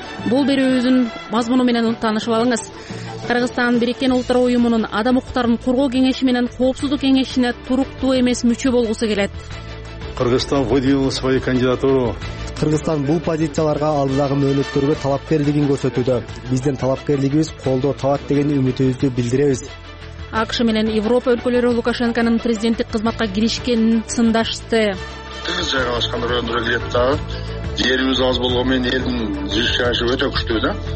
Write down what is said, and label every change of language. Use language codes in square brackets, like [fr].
[ky] Бул берүүбүздүн мазмуну менен таанышып алыңыз. Кыргызстан Бириккен Улуттар Уюмунун адам укуктарын коргоо кеңеши менен коопсуздук кеңешине туруктуу эмес мүчө болгусу келет. [ru] Кыргызстан выдвинул свою кандидатуру. [ky] Кыргызстан бул позицияларга алдыдагы мөөнөттөргө талапкерлигин көрсөтүүдө. Биздин талапкерлигибиз колдоо табат деген үмүтүбүздү билдиребиз. АКШ менен Европа өлкөлөрү Лукашенконун президенттик кызматка киришкенин сындашты. Биз жайгашкан райондорго келип атабыз. Жерибиз аз болгону менен элдин жашоосу өтө күчтүү да.